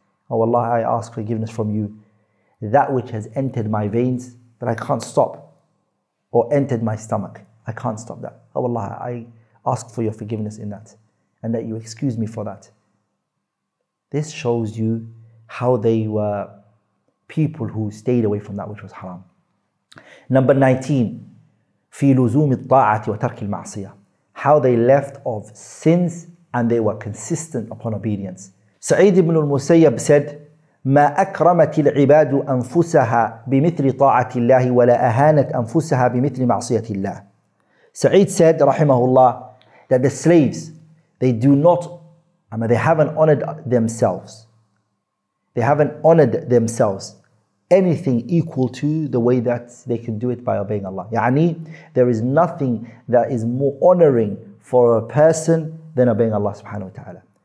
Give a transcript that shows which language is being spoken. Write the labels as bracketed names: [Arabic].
[English] Oh Allah, I ask forgiveness from you. That which has entered my veins, that I can't stop, or entered my stomach, I can't stop that. Oh Allah, I ask for your forgiveness in that, and that you excuse me for that. This shows you how they were people who stayed away from that which was haram. Number 19. [Arabic] في لزوم الطاعة وترك المعصية. [English] How they left of sins and they were consistent upon obedience. [Arabic] سعيد بن المسيب said, ما أكرمت العباد أنفسها بمثل طاعة الله ولا أهانت أنفسها بمثل معصية الله. [English] سعيد said, رحمه الله, that the slaves, they do not, I mean, they haven't honored themselves. They haven't honored themselves anything equal to the way that they can do it by obeying Allah. Yani, there is nothing that is more honoring for a person than obeying Allah subhanahu wa ta'ala.